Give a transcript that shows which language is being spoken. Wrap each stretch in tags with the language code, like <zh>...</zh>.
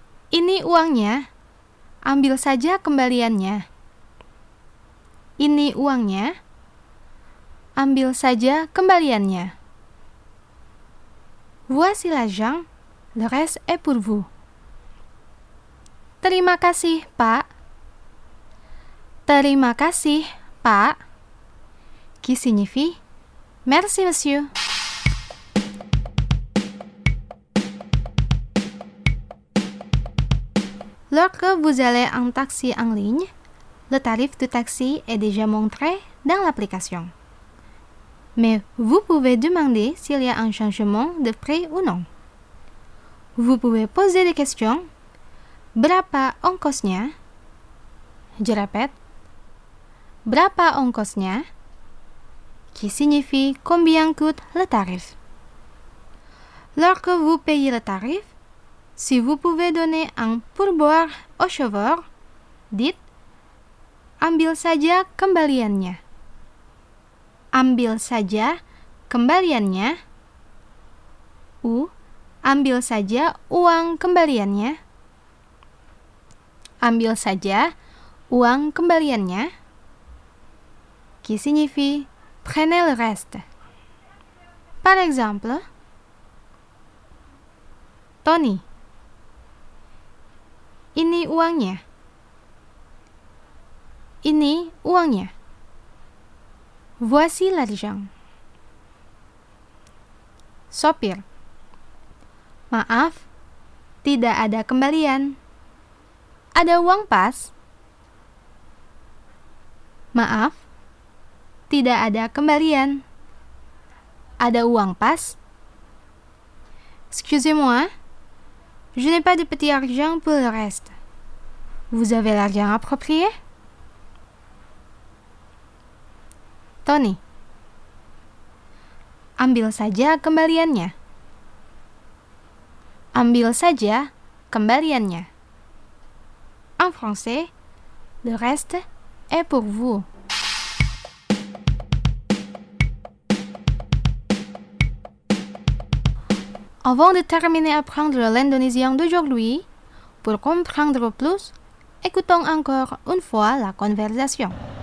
<id>Ini uangnya, ambil saja kembaliannya. Ini uangnya, ambil saja kembaliannya.</id> <fr>Voici l'argent, le reste est pour vous.</fr> <id>Terima kasih, Pak. Terima kasih, Pak.</id> <fr>Qui signifie merci, monsieur. Lorsque vous allez en taxi en ligne, le tarif du taxi est déjà montré dans l'application. Mais vous pouvez demander s'il y a un changement de prix ou non. Vous pouvez poser des questions.</fr> <id>Berapa ongkosnya?</id> <fr>Je répète.</fr> <id>Berapa ongkosnya?</id> <fr>Qui signifie combien coûte le tarif? Lorsque vous payez le tarif, si vous pouvez donner un pourboire au chauffeur, dites</fr> <id>ambil saja kembaliannya. Ambil saja kembaliannya. Ou ambil saja uang kembaliannya. Ambil saja uang kembaliannya.</id> <fr>Qui signifie prenez le reste. Par exemple, Tony.</fr> <id>Ini uangnya. Ini uangnya.</id> <fr>Voici l'argent.</fr> <id>Sopir. Maaf, tidak ada kembalian. Ada uang pas? Maaf, tidak ada kembalian. Ada uang pas?</id> <fr>Excusez-moi, je n'ai pas de petit argent pour le reste. Vous avez l'argent approprié? Tony.</fr> <id>Ambil saja kembaliannya. Ambil saja kembaliannya.</id> <fr>En français, le reste est pour vous. Avant de terminer apprendre l'indonésien d'aujourd'hui, pour comprendre plus, écoutons encore une fois la conversation.</fr>